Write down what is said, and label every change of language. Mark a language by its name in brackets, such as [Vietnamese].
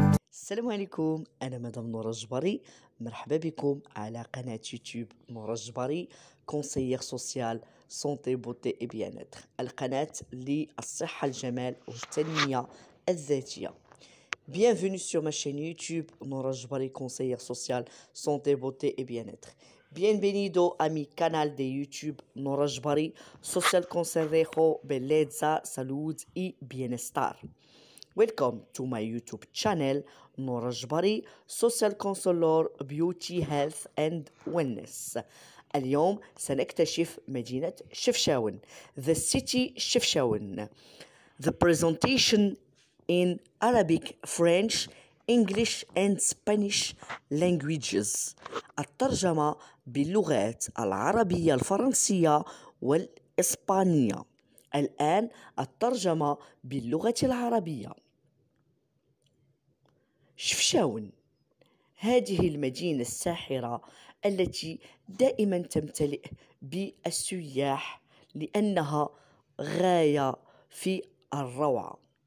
[Arabic] السلام عليكم، انا مدام نورا الجبري. مرحبا بكم على قناه يوتيوب نورا الجبري، [French] كونسيير سوسيال سونتي بوتي اي بيانات، [Arabic] القناه للصحه الجمال والتنميه الذاتيه. [French] Bienvenue sur ma chaîne YouTube Nora Jbari, conseillère sociale, santé, beauté et bien-être. [Spanish] Bienvenido à mi canal de YouTube Nora Jbari, social consejero, belleza, salud y bienestar. [English] Welcome to my YouTube channel Nora Jbari, social consolor, beauty, health and wellness. [Arabic] اليوم سنكتشف مدينة شفشاون. [English] The city Shifshaun. The presentation in Arabic, French, English and Spanish languages. [Arabic] الترجمة باللغات العربية الفرنسية والإسبانية. الآن الترجمة باللغة العربية. شفشاون، هذه المدينة الساحرة التي دائما تمتلئ بالسياح لأنها غاية في الروعة.